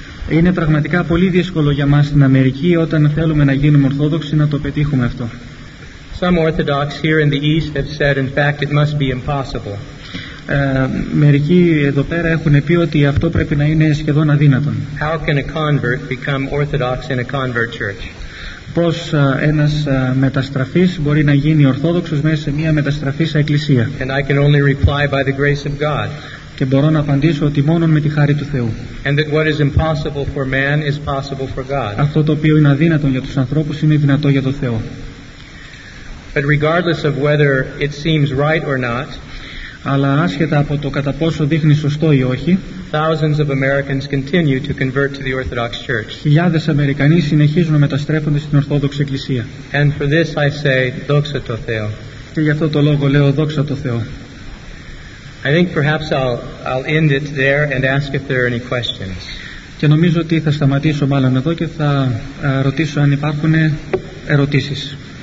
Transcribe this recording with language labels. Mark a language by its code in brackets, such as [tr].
[el] Είναι πραγματικά πολύ δύσκολο για μας στην Αμερική όταν θέλουμε να γίνουμε Ορθόδοξοι να το πετύχουμε αυτό. [en] Some Orthodox here in the East have said, in fact, it must be impossible. [el] Μερικοί εδώ πέρα έχουν πει ότι αυτό πρέπει να είναι σχεδόν αδύνατο. [en] How can a convert become Orthodox in a convert church? [el] Πώς ένας μεταστραφής μπορεί να γίνει Ορθόδοξος μέσα σε μια μεταστραφήσα εκκλησία? [en] And I can only reply by the grace of God. [el] Και μπορώ να απαντήσω ότι μόνο με τη χάρη του Θεού. [en] And that what is impossible for man is possible for God. [el] Αυτό το οποίο είναι αδύνατο για τους ανθρώπους είναι δυνατό για τον Θεό. [en] But regardless of whether it seems right or not, [el] αλλά άσχετα από το κατά πόσο δείχνει σωστό ή όχι, [en] thousands of Americans continue to convert to the Orthodox Church. [el] Χιλιάδες Αμερικανοί συνεχίζουν να μεταστρέφονται στην Ορθόδοξη Εκκλησία. [en] And for this I say, [el] δόξα τω Θεώ. Και γι' αυτό το λόγο λέω δόξα τω Θεώ. [en] I think perhaps I'll end it there and ask if there are any questions. [el] Και νομίζω ότι θα σταματήσω μάλλον εδώ και θα ρωτήσω αν υπάρχουν ερωτήσεις.